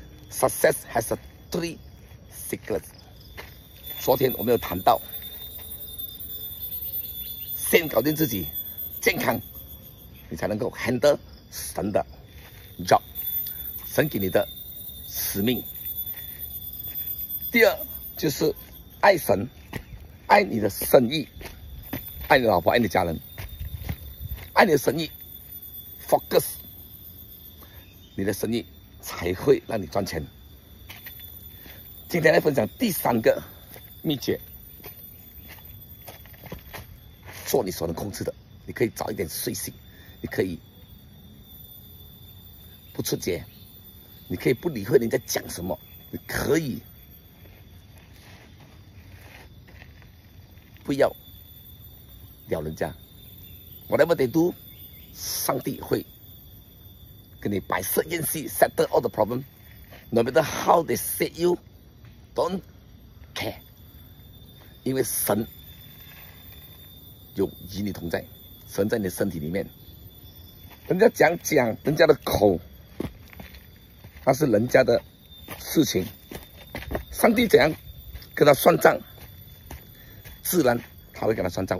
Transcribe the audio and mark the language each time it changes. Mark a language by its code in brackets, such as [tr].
[en] Success has three secrets。 [zh] 昨天我们有谈到，先搞定自己健康，你才能够 handle 神的 job， 神给你的使命。第二就是爱神，爱你的生意，爱你的老婆，爱你的家人，爱你的生意 ，focus， 你的生意才会让你赚钱。今天来分享第三个秘诀，做你所能控制的，你可以早一点睡醒，你可以不出街，你可以不理会人家讲什么，你可以不要聊人家。 [en] Whatever they do， [zh] 上帝会跟你摆设宴席 [en] ，settle all the problem。 [zh] No matter how they set you， don't care，因为神有与你同在，神在你的身体里面。人家讲讲人家的口，那是人家的事情，上帝怎样跟他算账，自然他会跟他算账。